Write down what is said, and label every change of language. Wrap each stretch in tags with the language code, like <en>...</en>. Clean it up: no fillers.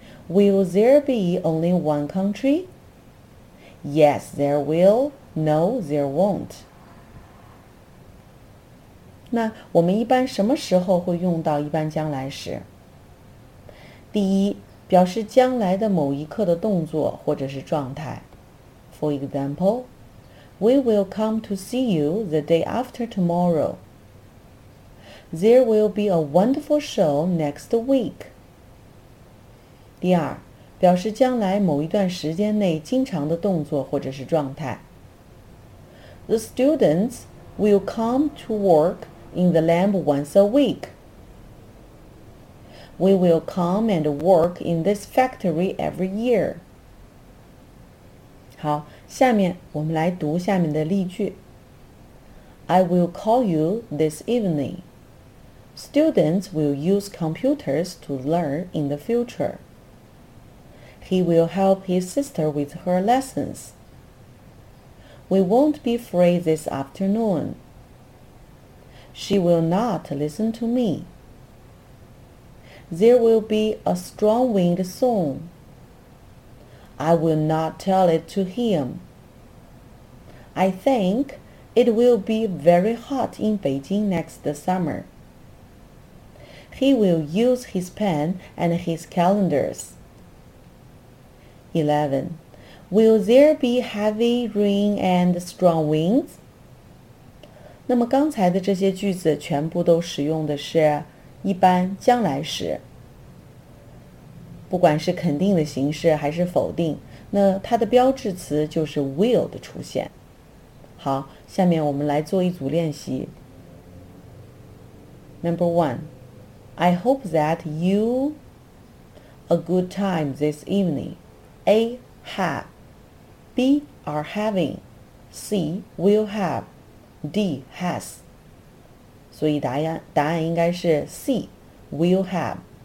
<en>Will there be only one country? Yes, there will. No, there won't.</en> <zh>那我们一般什么时候会用到一般将来时？第一，表示将来的某一刻的动作或者是状态。</zh> <en>For example, we will come to see you the day after tomorrow. There will be a wonderful show next week.</en> <zh>第二，表示将来某一段时间内经常的动作或者是状态。</zh> <en>The students will come to work in the lab once a week. We will come and work in this factory every year.</en> <zh>好，下面我们来读下面的例句。</zh> <en>I will call you this evening. Students will use computers to learn in the future. He will help his sister with her lessons. We won't be free this afternoon. She will not listen to me. There will be a strong wind soon. I will not tell it to him. I think it will be very hot in Beijing next summer. He will use his pen and his calendars. 11. Will there be heavy rain and strong winds?</en> <zh>那么刚才的这些句子全部都使用的是一般将来时。不管是肯定的形式还是否定，那它的标志词就是 will 的出现。好，下面我们来做一组练习。</zh> <en>Number 1. I hope that you a good time this evening. A. Have. B. Are having. C. Will have. D. Has.</en> <zh>所以答案应该是</zh> <en>C. Will have.</en>